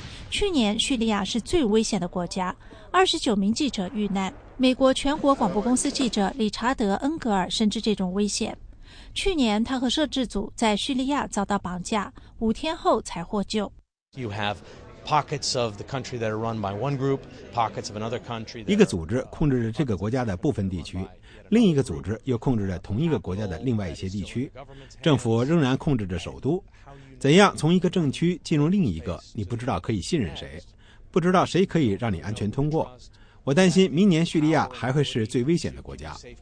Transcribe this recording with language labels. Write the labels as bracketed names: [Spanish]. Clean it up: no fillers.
[Chinese] 去年叙利亚是最危险的国家，29名记者遇难。美国全国广播公司记者理查德·恩格尔深知这种危险。去年他和摄制组在叙利亚遭到绑架，五天后才获救。 [English] You have pockets of the country that are run by one group, pockets of another country. [Chinese] 一个组织控制着这个国家的部分地区，另一个组织又控制着同一个国家的另外一些地区，政府仍然控制着首都。怎样从一个政区进入另一个，你不知道可以信任谁，不知道谁可以让你安全通过。我担心明年叙利亚还会是最危险的国家。